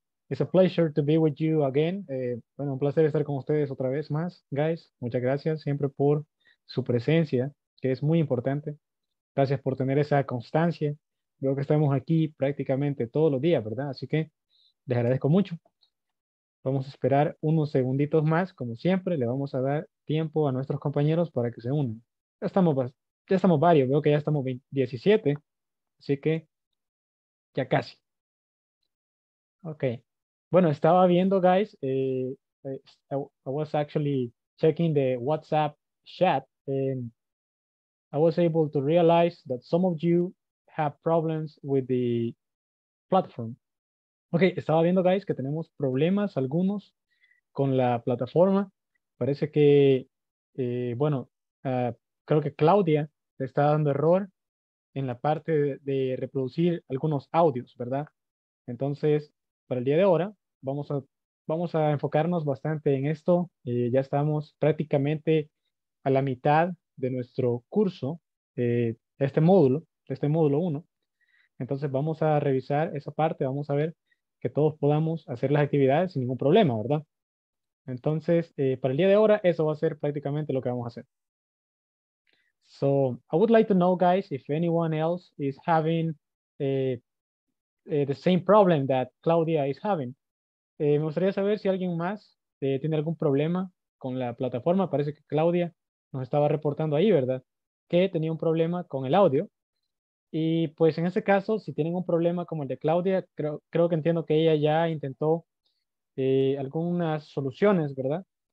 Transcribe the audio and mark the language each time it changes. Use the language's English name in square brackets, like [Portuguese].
[English] It's a pleasure to be with you again. [Spanish] Bueno, un placer estar con ustedes otra vez más, guys. Muchas gracias siempre por su presencia, que es muy importante. Gracias por tener esa constancia. Veo que estamos aquí prácticamente todos los días, ¿verdad? Así que les agradezco mucho. Vamos a esperar unos segunditos más, como siempre. Le vamos a dar tiempo a nuestros compañeros para que se unan. Ya estamos varios. Veo que ya estamos 17. Así que ya casi. Ok. Bueno, estaba viendo, [English] guys. I was actually checking the WhatsApp chat. And I was able to realize that some of you have problems with the platform. [Spanish] Ok, estaba viendo, guys, que tenemos problemas algunos con la plataforma. Parece que, creo que Claudia está dando error en la parte de reproducir algunos audios, ¿verdad? Entonces, para el día de ahora, vamos a enfocarnos bastante en esto. Ya estamos prácticamente a la mitad de nuestro curso, este módulo 1. Entonces vamos a revisar esa parte, vamos a ver que todos podamos hacer las actividades sin ningún problema, ¿verdad? Entonces, para el día de ahora, eso va a ser prácticamente lo que vamos a hacer. [English] So, I would like to know, guys, if anyone else is having the same problem that Claudia is having. [Spanish] Me gustaría saber si alguien más tiene algún problema con la plataforma. Parece que Claudia nos estaba reportando ahí, ¿verdad? Que tenía un problema con el audio. Y pues en ese caso, si tienen un problema como el de Claudia, creo que entiendo que ella ya intentó algunas soluciones, ¿verdad?